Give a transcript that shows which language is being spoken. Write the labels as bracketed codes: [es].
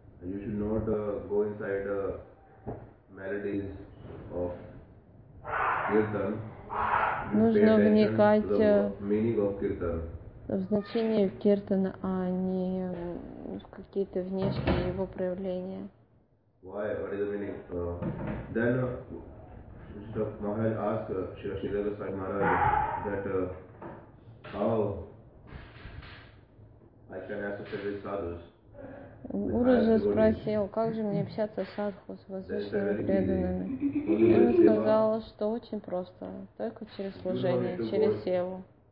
[en] You should not go inside the melodies of kirtan. [ru] Нужно вникать [en] the meaning of kirtan. [ru] В значение киртана, а не в какие-то внешние его проявления. [en] Why? What is the meaning? Then Shri Maharaj asked Shri Srila Goswami Maharaj that how I can associate with sadhus. [ru] Гуруджи спросил, как же мне общаться с садху, с возвышенными преданными. И он сказал, что очень просто, только через служение, через севу.